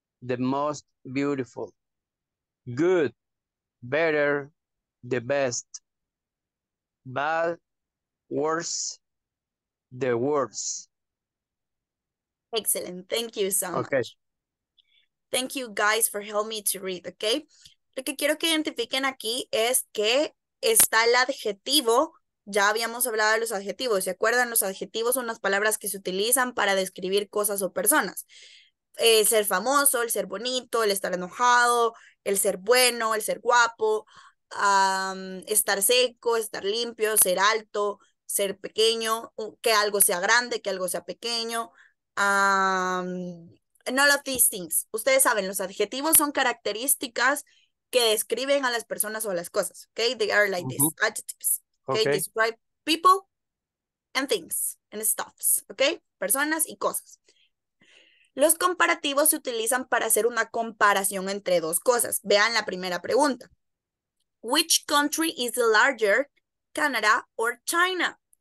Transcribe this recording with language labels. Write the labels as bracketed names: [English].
[English] the most beautiful. Good, better, the best. Bad, worse, the worst. Excellent. Thank you so much. Okay. Thank you guys for helping me to read, okay? [Spanish] Lo que quiero que identifiquen aquí es que está el adjetivo. Ya habíamos hablado de los adjetivos. ¿Se acuerdan? Los adjetivos son las palabras que se utilizan para describir cosas o personas. El ser famoso, el ser bonito, el estar enojado, el ser bueno, el ser guapo, estar seco, estar limpio, ser alto, ser pequeño, que algo sea grande, que algo sea pequeño. [English] None of these things. [Spanish] Ustedes saben, los adjetivos son características que describen a las personas o a las cosas. [English] Okay? They are like this. Adjectives. Okay? Okay. Describe people and things and stuffs. Okay? [Spanish] Personas y cosas. Los comparativos se utilizan para hacer una comparación entre dos cosas. Vean la primera pregunta. [English] Which country is the larger, Canada or China?